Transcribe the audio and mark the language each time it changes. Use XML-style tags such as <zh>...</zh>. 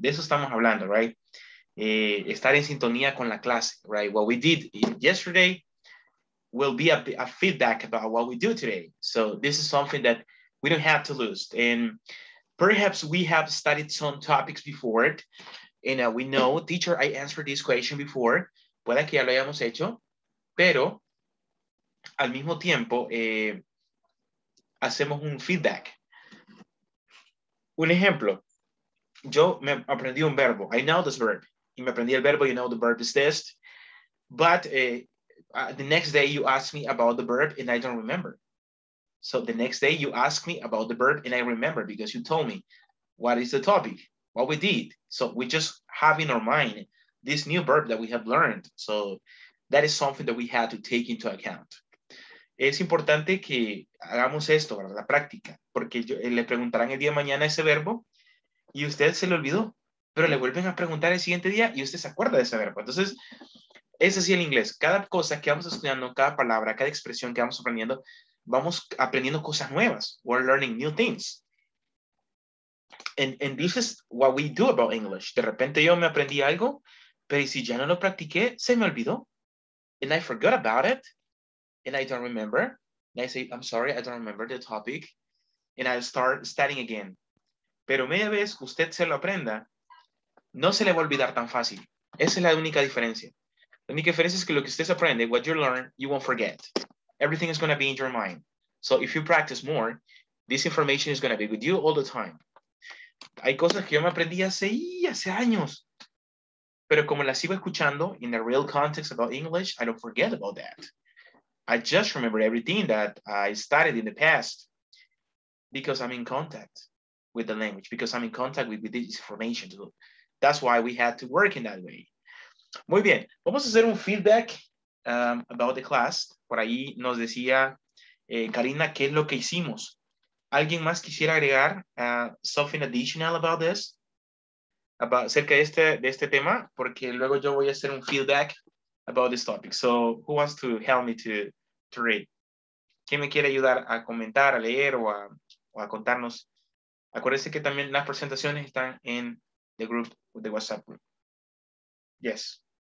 <es>De eso estamos hablando, right? Estar en sintonía con la clase, right?</es> <en>What we did yesterday will be a feedback about what we do today. So this is something that we don't have to lose. And perhaps we have studied some topics before it. And we know, teacher, I answered this question before.</en> <es>Puede que ya lo hayamos hecho, pero al mismo tiempo hacemos un feedback. Un ejemplo, yo me aprendí un verbo.</es> <en>I know this verb.</en> <es>Y me aprendí el verbo,</es> <en>you know the verb is this. But the next day you ask me about the verb and I don't remember. So the next day you ask me about the verb and I remember because you told me what is the topic, what we did. So we just have in our mind this new verb that we have learned. So that is something that we had to take into account.</en> <es>Es importante que hagamos esto, ¿verdad? La práctica, porque yo, le preguntarán el día de mañana ese verbo y usted se le olvidó, pero le vuelven a preguntar el siguiente día y usted se acuerda de ese verbo. Entonces, es así el inglés. Cada cosa que vamos estudiando, cada palabra, cada expresión que vamos aprendiendo, vamos aprendiendo cosas nuevas.</es> <en>We're learning new things. And this is what we do about English.</en> <es>De repente yo me aprendí algo, pero si ya no lo practiqué, se me olvidó.</es> <en>And I forgot about it. And I don't remember. And I say, I'm sorry, I don't remember the topic. And I'll start studying again.</en> <es>Pero media vez que usted se lo aprenda, no se le va a olvidar tan fácil. Esa es la única diferencia. La única diferencia es que lo que usted aprende,</es> <en>what you learn, you won't forget. Everything is going to be in your mind. So if you practice more, this information is going to be with you all the time.</en> <es>Hay cosas que yo me aprendí hace años. Pero como las sigo escuchando</es> <en>in the real context about English, I don't forget about that. I just remember everything that I studied in the past because I'm in contact with the language, because I'm in contact with this information. That's why we had to work in that way.</en> <es>Muy bien. Vamos a hacer un feedback</es> <en>about the class.</en> <es>Por ahí nos decía Karina, ¿qué es lo que hicimos? ¿Alguien más quisiera agregar</es> <en>something additional about this?</en> <es>Acerca de este tema, porque luego yo voy a hacer un feedback</es> <en>about this topic. So, who wants to help me to read?</en> <es>¿Quién me quiere ayudar a comentar, a leer o a contarnos? Acuérdense que también las presentaciones están en</es> <en>the group, the WhatsApp group. Yes.</en>